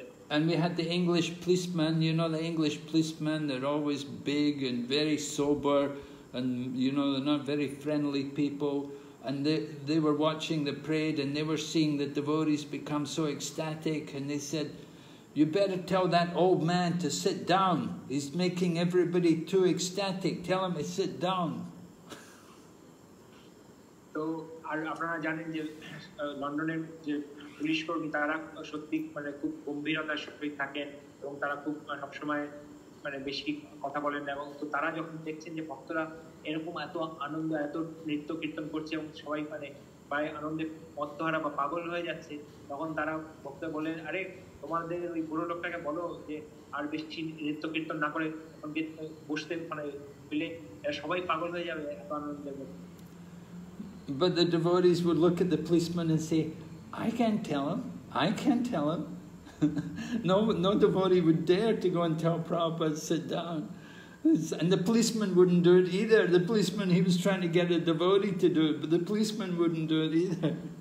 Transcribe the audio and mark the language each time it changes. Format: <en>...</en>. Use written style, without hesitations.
<en>And we had the English policemen, you know, the English policemen, they're always big and very sober and, you know, they're not very friendly people. And they were watching the parade and they were seeing the devotees become so ecstatic and they said, you better tell that old man to sit down. He's making everybody too ecstatic. Tell him to sit down.</en> <bn>তো আর আপনারা জানেন যে লন্ডনের যে police কর্মী তারা সত্যি মানে খুব গম্ভীরতার সাথে থাকেন এবং তারা খুব সবসময় মানে বেশি কথা বলেন এবং তো তারা যখন দেখছেন যে ভক্তরা এরকম এত আনন্দ এত নৃত্য কীর্তন করছে এবং সবাই মানে প্রায় আনন্দে মত্তহারা বা পাগল হয়ে যাচ্ছে তখন তারা ভক্ত বলেন আরে তোমাদের ওই বুড়ো লোকটাকে বলো যে আর বেশি নৃত্য কীর্তন না করে বসতে মানে পেলে সবাই পাগল হয়ে যাবে এত আনন্দে</bn> <en>But the devotees would look at the policeman and say, I can't tell him, I can't tell him. no devotee would dare to go and tell Prabhupada, sit down. And the policeman wouldn't do it either. The policeman, he was trying to get a devotee to do it, but the policeman wouldn't do it either.</en>